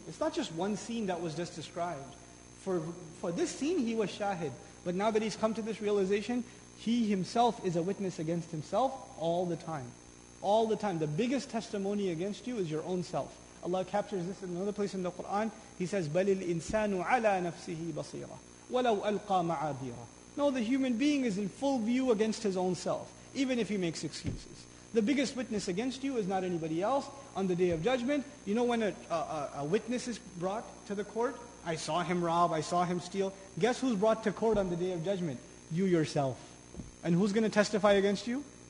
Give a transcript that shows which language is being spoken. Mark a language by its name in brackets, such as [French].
[English] It's not just one scene that was just described. For this scene he was shahid, but now that he's come to this realization, he himself is a witness against himself all the time. All the time. The biggest testimony against you is your own self. Allah captures this in another place in the Quran. He says, [Arabic] بَلِ الْإِنسَانُ عَلَىٰ نَفْسِهِ بَصِيرًا وَلَوْ أَلْقَى مَعَاذِيرًا. [English] No, the human being is in full view against his own self, even if he makes excuses. The biggest witness against you is not anybody else on the Day of Judgment. You know when a witness is brought to the court? I saw him rob, I saw him steal. Guess who's brought to court on the Day of Judgment? You yourself. And who's going to testify against you?